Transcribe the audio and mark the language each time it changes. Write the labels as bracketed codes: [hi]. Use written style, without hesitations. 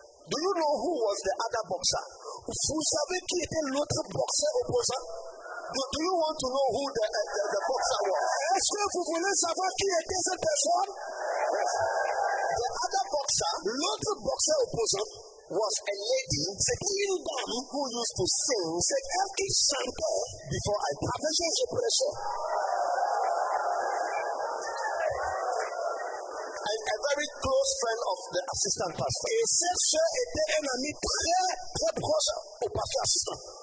[en] Do you know who was the other boxer? [fr] Vous savez qui était l'autre boxeur opposant? [en] Do you want to know who the boxer was? [fr] Est-ce que vous voulez savoir qui était cette personne? [en] The other boxer, [fr] l'autre boxeur opposant, [en] was a lady, [fr] c'est une dame, [en] who used to sing, [fr] c'est elle qui chantait, [en] before I passed the suppression. And a very close friend of the assistant pastor. [fr] Et cette sœur était un ami très, très proche au pasteur assistant.